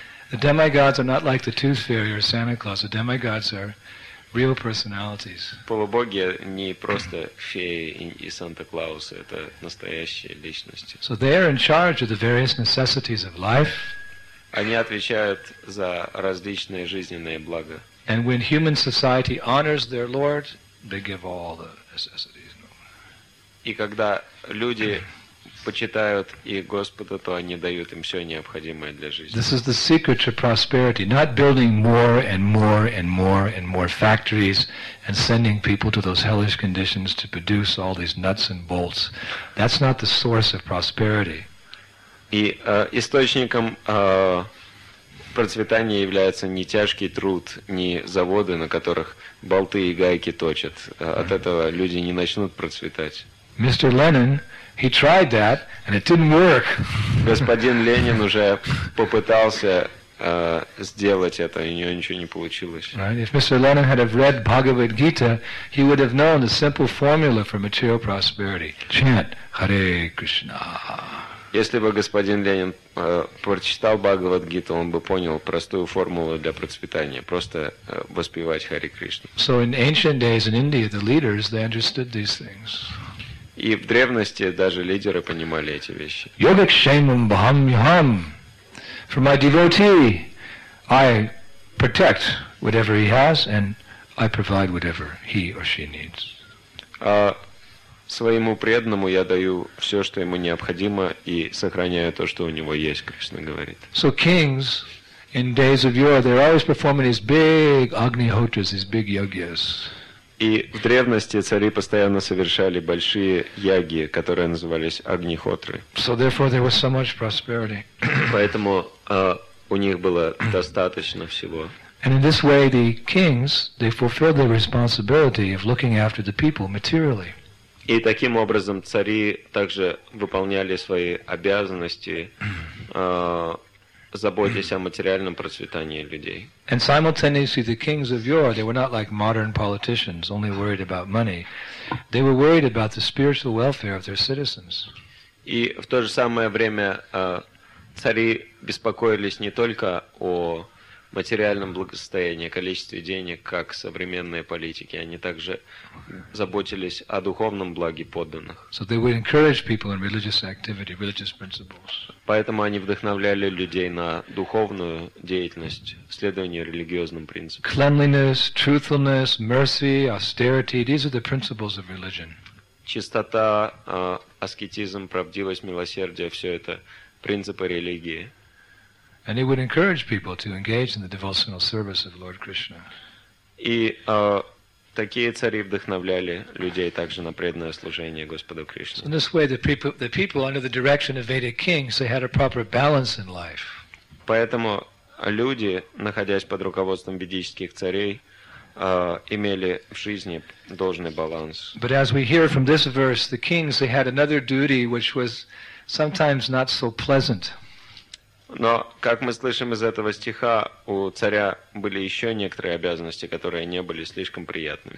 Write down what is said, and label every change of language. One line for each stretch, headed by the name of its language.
English: The demigods are not like the tooth fairy or Santa Claus. The demigods are real personalities.
Russian: Полубоги не просто феи и Санта-Клаус, это настоящие личности.
English: So they are in charge of the various necessities of life.
Russian: Они отвечают за различные жизненные блага.
English: And when human society honors their Lord, they give all the necessities.
Russian: И когда люди почитают их Господа, то они дают им все необходимое для жизни.
English: This is the secret to prosperity, not building more and more and more and more factories and sending people to those hellish conditions to produce all these nuts and bolts. That's not the source of prosperity.
Russian: И источником процветания является не тяжкий труд, не заводы, на которых болты и гайки точат. От этого люди не начнут процветать.
English: Mr. Lenin, he tried that, and it didn't work.
Russian: Господин Ленин уже попытался сделать это, и у него ничего не получилось.
English: Right? If Mr. Lenin had have read Bhagavad Gita, he would have known the simple formula for material prosperity. Chant Hare Krishna.
Russian: Если бы господин Ленин прочитал Бхагавад Гиту, он бы понял простую формулу для процветания. Просто воспевать Харе Кришну.
English: So in ancient days in India, the leaders, they understood these things.
Russian: И в древности даже лидеры понимали эти вещи.
Sanskrit: Yogakshemam Bhamyam.
English: For my devotee, I protect whatever he has and I provide whatever he or she needs.
Russian: Своему преданному я даю все, что ему необходимо, и сохраняю то, что у него есть, Кришна говорит.
English: So kings in days of yore, they're always performing these big Agnihotras, these big yagyas.
Russian: И в древности цари постоянно совершали большие яги, которые назывались Агнихотры.
English: So therefore there was so much prosperity.
Russian: Поэтому у них было достаточно всего.
English: And in this way, the kings, they fulfilled their responsibility of looking after the people materially.
Russian: И таким образом цари также выполняли свои обязанности, заботясь о материальном процветании людей.
English: And simultaneously, the kings of yore, they were not like modern politicians, only worried about money. They were worried about the spiritual welfare of their citizens.
Russian: И в то же самое время цари беспокоились не только о материальном благосостоянии, количестве денег, как современные политики, они также заботились о духовном благе подданных.
English: So they would encourage people in religious activity, religious principles.
Russian: Поэтому они вдохновляли людей на духовную деятельность, следование религиозным принципам.
English: Cleanliness, truthfulness, mercy, austerity, these are the principles of religion.
Russian: Чистота, аскетизм, правдивость, милосердие, все это принципы религии.
English: And it would encourage people to engage in the devotional service of Lord Krishna.
Russian: И такие цари вдохновляли людей также на преданное служение Господу Кришне.
English: So in this way, the people under the direction of Vedic kings, they had a proper balance in life.
Russian: Поэтому люди, находясь под руководством ведических царей, имели в жизни должный баланс.
English: But as we hear from this verse, the kings, they had another duty which was sometimes not so pleasant.
Russian: Но, как мы слышим из этого стиха, у царя были еще некоторые обязанности, которые не были слишком приятными.